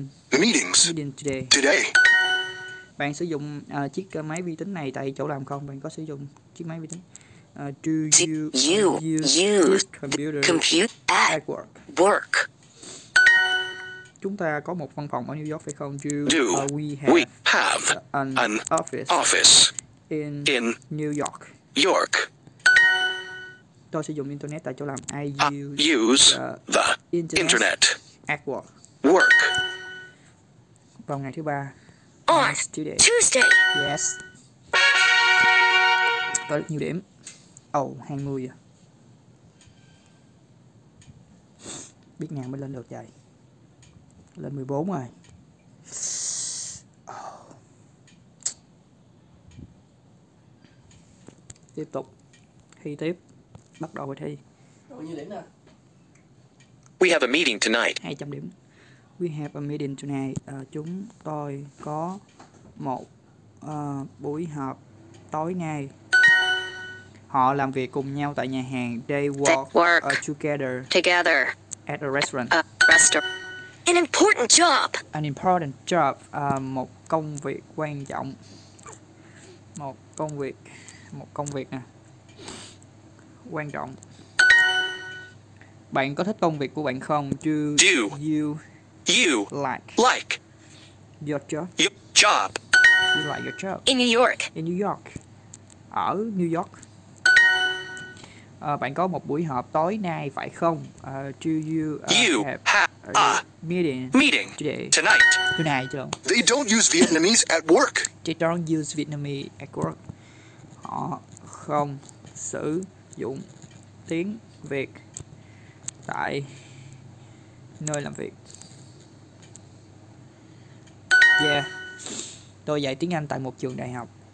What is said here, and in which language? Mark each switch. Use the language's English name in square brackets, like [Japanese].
[English] Do we have a lot of meetings today? [Vietnamese] Bạn sử dụng chiếc máy vi tính này tại chỗ làm không? Bạn có sử dụng chiếc máy vi tính? [English] Do you use computer at work? [Vietnamese] Chúng ta có một văn phòng ở New York phải không? [English] Do we have an office in New York? [Vietnamese] Tôi sử dụng internet tại chỗ làm. [English] I use the internet at work. Work. [Vietnamese] Vào ngày thứ ba. [English] On Tuesday. Yes. [Vietnamese] Có được nhiều điểm. Oh, 20. Biết ngàn mới lên được vậy. Lên 14 rồi. Oh. Tiếp tục. Thi tiếp. Bắt đầu thi. Bao nhiêu điểm nè? [English] We have a meeting tonight. [Vietnamese] 200 điểm. [English] We have a meeting tonight. [Vietnamese] Chúng tôi có một buổi họp tối nay. Họ làm việc cùng nhau tại nhà hàng. [English] They walk together at a restaurant. An important job. An important job. [Vietnamese] Một công việc quan trọng. Một công việc nè. Quan trọng. Bạn có thích công việc của bạn không? [English] Do you like your job? Your job. You like your job. In New York. [Vietnamese] Ở New York. Bạn có một buổi họp tối nay phải không? [English] Do you have a meeting today? Tonight. They don't use Vietnamese at work. They don't use Vietnamese at work. [Vietnamese] Họ không sử dụng tiếng Việt tại nơi làm việc. Yeah. Tôi dạy tiếng Anh tại một trường đại học.